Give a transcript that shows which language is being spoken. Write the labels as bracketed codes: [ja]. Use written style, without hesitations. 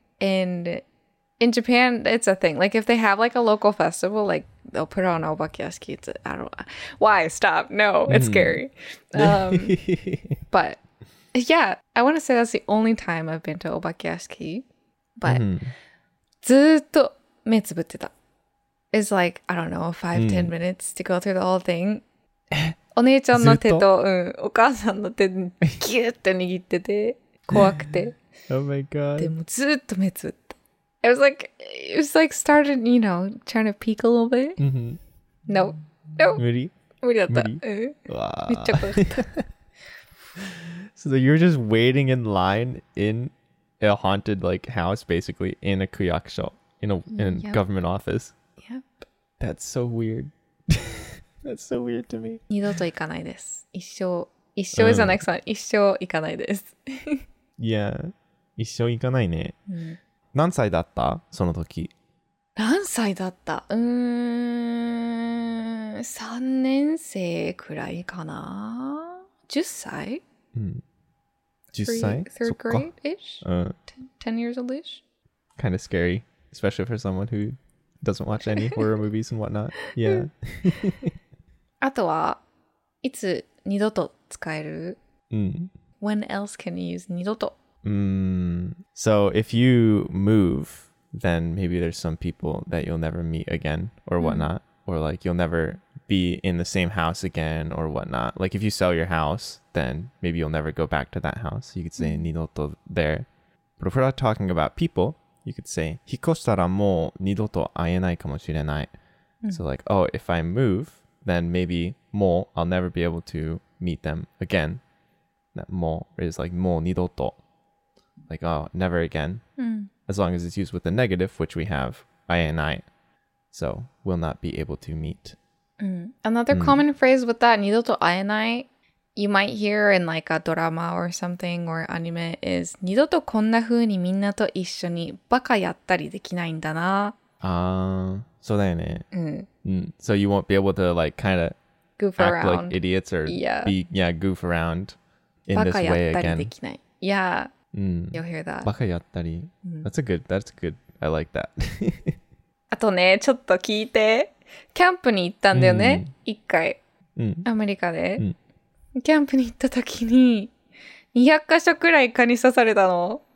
[en] And in Japan, it's a thing. Like if they have like a local festival, like they'll put on obake yashiki. I don't know. Why? Stop. No, it's scary. but yeah, I want to say that's the only time I've been to obake yashiki. But... [ja] ずっと目つぶってた。 [en] It's like, I don't know, 5-10 minutes to go through the whole thing. [ja] お姉ちゃんの手 と, と、お母さんの手ギュッて握ってて、怖くて。 [en] Oh my god. [ja] でもずっと目つぶった。 [en] It was like started, you know, trying to peek a little bit. No. No. [ja] 無理? 無理だった。めっちゃ怖かった。 [en] So you're just waiting in line in... A haunted like house basically in a 区役所, in a government office. Yep. That's so weird. That's so weird to me. [ja] 二度と行かないです。一生、一生 [en] is the next one. [ja] 一生行かないです。 [en] Yeah. [ja] 一生行かないね。何歳だった?その時。何歳だった?3年生くらいかな?10歳? [en] Third grade-ish? Ten years old-ish? Kind of scary, especially for someone who doesn't watch any horror movies and whatnot. Yeah. [ja] あとは、いつ二度と使える? [en] When else can you use 二度と? So if you move, then maybe there's some people that you'll never meet again or whatnot. Or like you'll never be in the same house again or whatnot. Like if you sell your house... then maybe you'll never go back to that house. You could say 二度と there. But if we're not talking about people, you could say [ja] 引っ越したらもう二度と会えないかもしれない。 [en] So like, oh, if I move, then maybe もう I'll never be able to meet them again. That もう is like もう二度と. Like, oh, never again. As long as it's used with the negative, which we have 会えない. So we'll not be able to meet. Another common phrase with that, 二度と会えない, you might hear in like a drama or something or anime is [ja] 二度とこんな風にみんなと一緒にバカやったりできないんだな。そうだよね。 [en] So you won't be able to like kind of goof act around. Like idiots or yeah. be yeah, goof around in this way again. [ja] バカやったりできない。 [en] Yeah. You'll hear that. [ja] バカやったり。 [en] That's good. I like that. [ja] あとね、ちょっと聞いて。キャンプに行ったんだよね、一回。アメリカで。キャンプに行った時に、200箇所くらい蚊に刺されたの。